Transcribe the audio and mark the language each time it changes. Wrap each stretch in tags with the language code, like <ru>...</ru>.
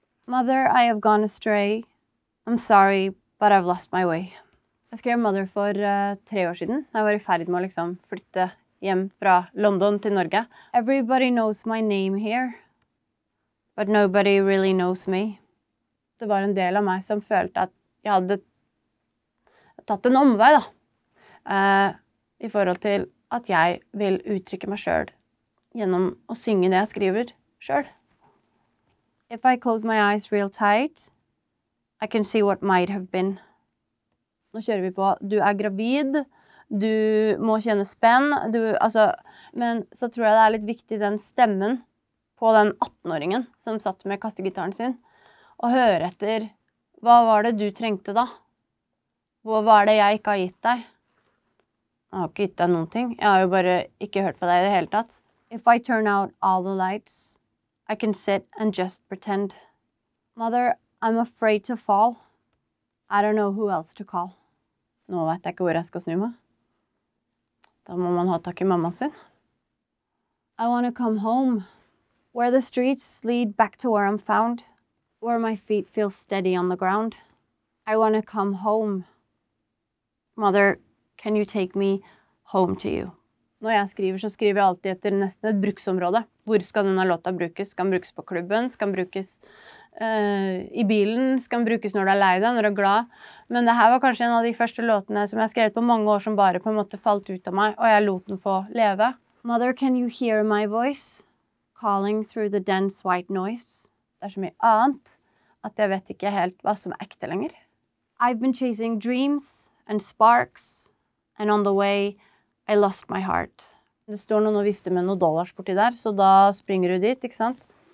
<en>Mother, I have gone astray. I'm sorry, but I've lost my way.</en> <no>Jeg skrev Mother for 3 år siden. Jeg var i ferd med å liksom flytte hjem fra London til Norge.</no> <en>Everybody knows my name here, but nobody really knows me.</en> <no>Det var en del av meg som følte at jeg hadde tatt en omvei, da. I forhold til at jeg vil uttrykke meg selv gjennom å synge det jeg skriver selv.</no> <en>If I close my eyes real tight, I can see what might have been.</en> <no>Nå kjører vi på. Du er gravid. Du må kjenne spenn. Men så tror jeg det er litt viktig den stemmen på den 18-åringen som satt med kassegitaren sin. Og høre etter, hva var det du trengte da? Hva er det jeg ikke har gitt deg? Jeg har ikke gitt deg noen ting. Jeg har jo bare ikke hørt på deg i det hele tatt.</no> <en>If I turn out all the lights, I can sit and just pretend. Mother, I'm afraid to fall. I don't know who else to call.</en> <no>Nå vet jeg ikke hvor jeg skal snu meg. Da må man ha tak i mammaen sin.</no> <en>I want to come home. Where the streets lead back to where I'm found. Where my feet feel steady on the ground. I want to come home. Mother, can you take me home to you?</en> <no>Når jeg skriver, så skriver jeg alltid etter nesten et bruksområde. Hvor skal denne låta brukes? Skal den brukes på klubben? Skal den brukes i bilen? Skal den brukes når du er lei deg, når du er glad? Men det her var kanskje en av de første låtene som jeg skrev på mange år som bare på en måte falt ut av meg, og jeg lot den få leve.</no> <en>Mother, can you hear my voice? Calling through the dense white noise.</en> <no>Det er så mye annet at jeg vet ikke helt hva som ekte lenger.</no> <en>I've been chasing dreams and sparks, and on the way, I lost my heart.</en> <no>Det står noen og vifter med noen dollars borti der, så da springer du dit, ikke sant?</no>